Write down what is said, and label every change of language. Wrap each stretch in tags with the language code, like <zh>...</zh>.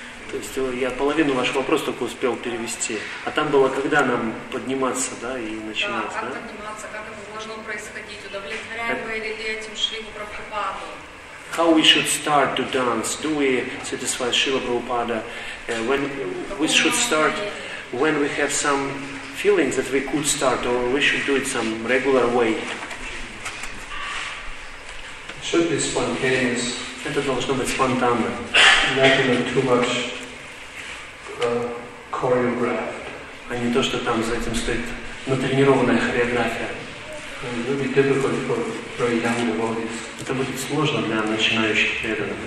<ru>То есть я половину вашего вопроса только успел перевести. А там было, когда нам подниматься, да, и начинать, да? Как подниматься, как это должно происходить? Удовлетворяем мы или этим Шриму Прабхупаду?</ru> <en>How we should start to dance? Do we satisfy Srila Prabhupada? When we should start, when we have some feelings that we could start, or we should do it some regular way? It should be spontaneous.</en> <ru>Это должно быть спонтанно.</ru> <en>Not even too much choreographed.</en> <ru>А не то, что там за этим стоит натренированная хореография.</ru> <en>It would be difficult for very young devotees.</en> <ru>Это будет сложно для начинающих преданных.</ru>